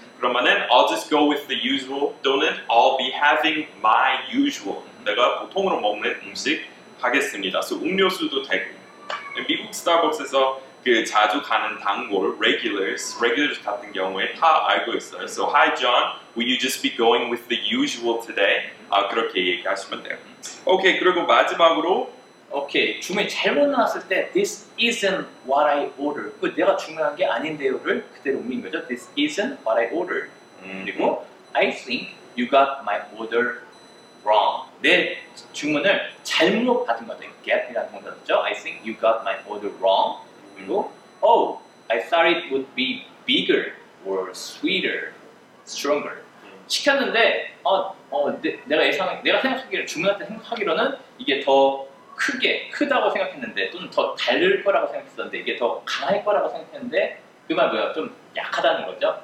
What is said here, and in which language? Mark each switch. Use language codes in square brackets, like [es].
[ko] 그러면은 [en] I'll just go with the usual [ko] 또는 [en] I'll be having my usual. [ko] 내가 보통으로 먹는 음식 하겠습니다. So 음료수도 되고 미국 스타벅스에서 그 자주 가는 단골 regulars 같은 경우에 다 알고 있어요. [en] So hi John, will you just be going with the usual today? [ko] 그렇게 얘기하시면 돼요. 오케이 그리고 마지막으로 오케이 주문이 잘못 나왔을 때 [en] this isn't what I ordered. [ko] 그 내가 주문한 게 아닌데요를 그대로 옮긴 거죠. [en] This isn't what I ordered. [ko] 그리고 [en] I think you got my order wrong. [ko] 내 주문을 잘못 받은 거죠. Get이라는 거죠. [en] I think you got my order wrong. [ko] 그리고, [en] oh, I thought it would be bigger or sweeter, stronger. [ko] 시켰는데, 내가 생각하기로 주문한테 생각하기로는 이게 더 크게 크다고 생각했는데 또는 더 달을 거라고 생각했는데 이게 더 강할 거라고 생각했는데 그 말 뭐야 좀 약하다는 거죠.